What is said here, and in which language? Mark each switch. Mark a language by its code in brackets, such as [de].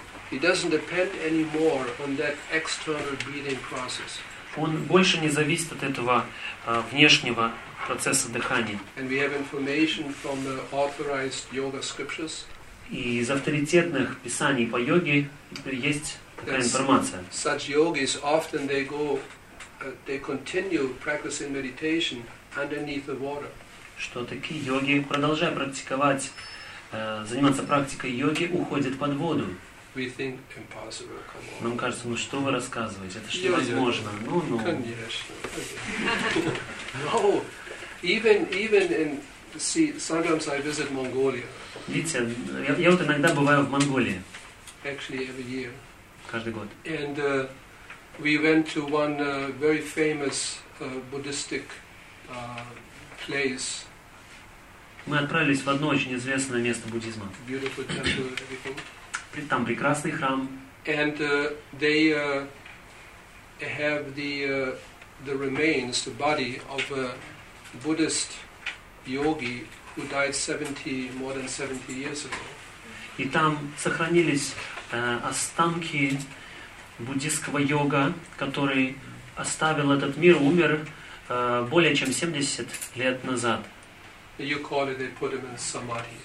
[en] It doesn't depend anymore on that external breathing process. [ru] Он больше не зависит от этого внешнего процесса дыхания. [en] And we have information from the authorized yoga scriptures. [ru] И из авторитетных писаний по йоге есть такая информация. [en] Such yogis often they continue practicing meditation underneath the water. [ru] Что такие йоги, продолжая практиковать, заниматься практикой йоги, уходят под воду. [en] We think impossible. Come on. [ru] Нам кажется, ну что вы рассказываете? Это же невозможно. Ну-ну. Конечно. [en] No. Even in see, sometimes I visit Mongolia. [ru] Видите, я вот иногда бываю в Монголии. [en] Actually, every year. [ru] Каждый год. [en] And we went to one very famous Buddhistic place. [ru] Мы отправились в одно очень известное место буддизма. [en] Beautiful temple, everything. [ru] Там прекрасный храм. [en] And they have the remains, the body of a Buddhist yogi who died 70 more than 70 years ago. [ru] И там сохранились останки буддийского йога, который оставил этот мир, умер более чем 70 лет назад. [en] You call it, they put him in samadhi.